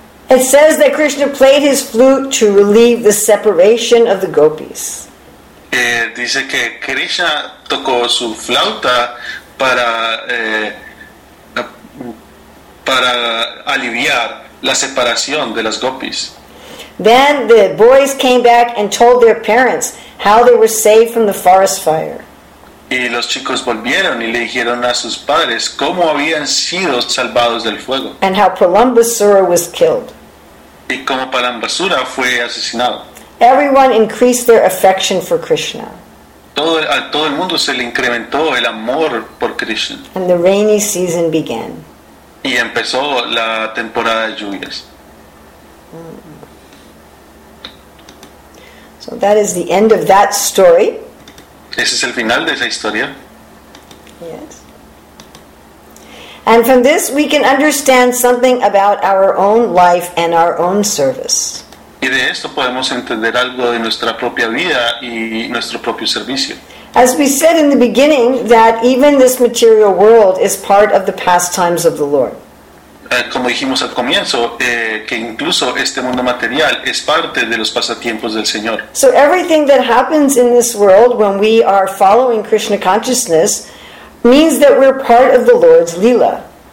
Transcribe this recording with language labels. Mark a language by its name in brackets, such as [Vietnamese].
[English] It says that Krishna played his flute to relieve the separation of the gopis. [Spanish] Dice que Krishna tocó su flauta para para aliviar la separación de las gopis. [English] Then the boys came back and told their parents how they were saved from the forest fire. [Spanish] Y los chicos volvieron y le dijeron a sus padres cómo habían sido salvados del fuego. [English] And how Palambasura was killed. [Spanish] Y cómo Palambasura fue asesinado. [English] Everyone increased their affection for Krishna. [Spanish] Todo el mundo se le incrementó el amor por Krishna. [English] And the rainy season began. [Spanish] Y empezó la temporada de lluvias. [English] So that is the end of that story. [Spanish] Ese es el final de esa historia. [English] Yes. And from this we can understand something about our own life and our own service. [Spanish] Y de esto podemos entender algo de nuestra propia vida y nuestro propio servicio. [English] As we said in the beginning, that even this material world is part of the pastimes of the Lord. [Spanish] Como dijimos al comienzo, que incluso este mundo material es parte de los pasatiempos del Señor. [English] So everything that happens in this world when we are following Krishna consciousness means that we're part of the Lord's Lila.